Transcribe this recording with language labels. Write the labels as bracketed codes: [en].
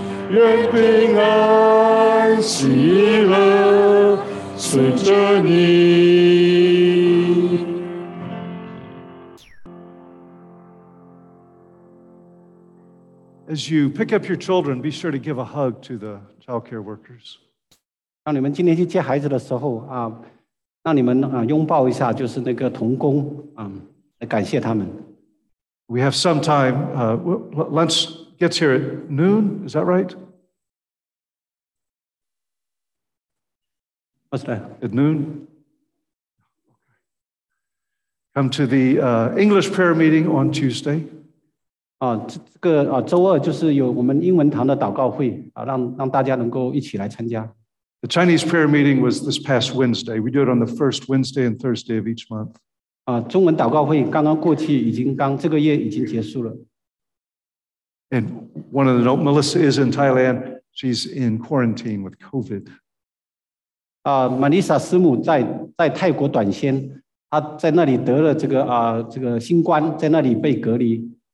[en] Yen be nan, she love, sweet journey. As you pick up your children, be sure to give a hug to the child care workers. [zh] 当你们今天去接孩子的时候啊。让你们啊拥抱一下，就是那个童工啊，来感谢他们。 [en] We have some time. Lunch gets here at noon. Is that right? What's that? At noon. Come to the English prayer meeting on Tuesday. [zh] 啊，这个啊，周二就是有我们英文堂的祷告会啊，让大家能够一起来参加。 [en] The Chinese prayer meeting was this past Wednesday. We do it on the first Wednesday and Thursday of each month. [zh] 中文祷告会刚刚过去，已经刚这个月已经结束了。 [en] And one of the note, Melissa is in Thailand. She's in quarantine with COVID. [zh] Melissa 师母在泰国短宣，她在那里得了这个这个新冠，在那里被隔离。